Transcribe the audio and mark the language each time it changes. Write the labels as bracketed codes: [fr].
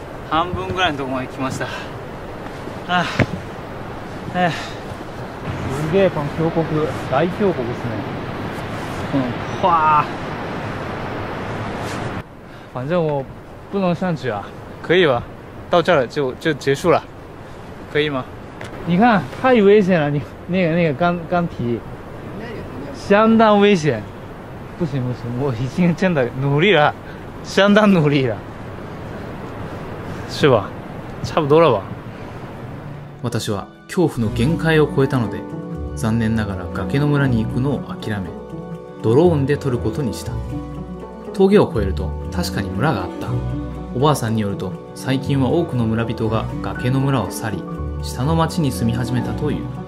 [ja] 半分ぐらいのところまで来ました。すげえ、この峡谷、大峡谷ですね。嗯，哇！ [zh] 反正我不能上去啊，可以吧？到这儿就结束了，可以吗？你看太危险了，你那个钢蹄相当危险。不行不行，我已经真的努力了，相当努力了，是吧？差不多了吧。 [ja] 私は恐怖の限界を超えたので、残念ながら崖の村に行くのを諦め、ドローンで撮ることにした。峠を越えると確かに村があった。おばあさんによると、最近は多くの村人が崖の村を去り、下の町に住み始めたという。